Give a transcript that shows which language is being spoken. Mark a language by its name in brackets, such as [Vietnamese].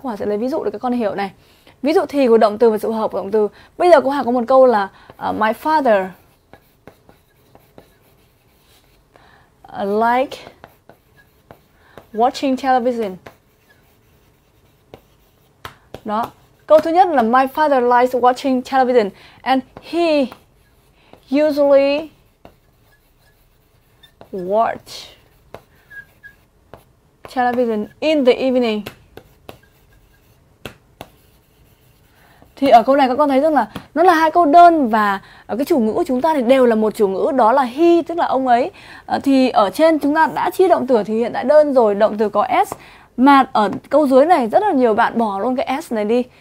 [Vietnamese] Cô Hà sẽ lấy ví dụ để các con hiểu này. Ví dụ thì của động từ và sự hợp của động từ. Bây giờ cô Hà có một câu là [English] my father like watching television. [Vietnamese] Đó, Câu thứ nhất là [English] my father likes watching television and he usually watch television in the evening. [Vietnamese] Thì ở câu này các con thấy rằng là nó là hai câu đơn và cái chủ ngữ của chúng ta thì đều là một chủ ngữ, đó là he, tức là ông ấy. Thì ở trên chúng ta đã chia động từ thì hiện tại đơn rồi, động từ có s. Mà ở câu dưới này rất là nhiều bạn bỏ luôn cái s này đi.